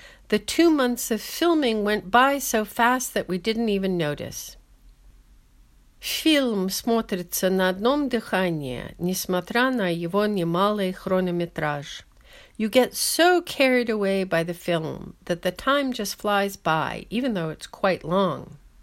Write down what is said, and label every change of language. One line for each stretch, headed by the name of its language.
English: The 2 months of filming went by so fast that we didn't even notice.
Russian: Фильм смотрится на одном дыхании, несмотря на его немалый хронометраж.
English: You get so carried away by the film that the time just flies by, even though it's quite long.